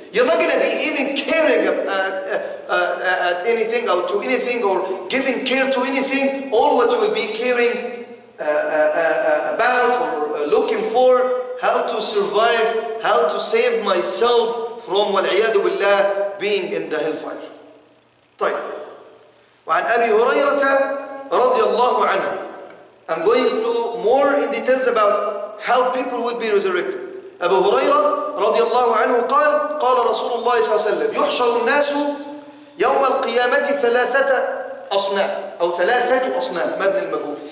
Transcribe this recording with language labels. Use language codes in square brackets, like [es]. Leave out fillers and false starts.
[en] You're not going to be even caring at anything or to anything or giving care to anything. All what you will be caring about or looking for, how to survive, how to save myself from wal'iyadu billah being in the hellfire. [ar] وعن أبي هريرة رضي الله عنه. [en] I'm going to more in details about how people will be resurrected. [ar] أبو هريرة رضي الله عنه قال, قال رسول الله صلى الله عليه وسلم, يحشر الناس يوم القيامة ثلاثة أصناف أو ثلاثة أصناف مبني المجهول.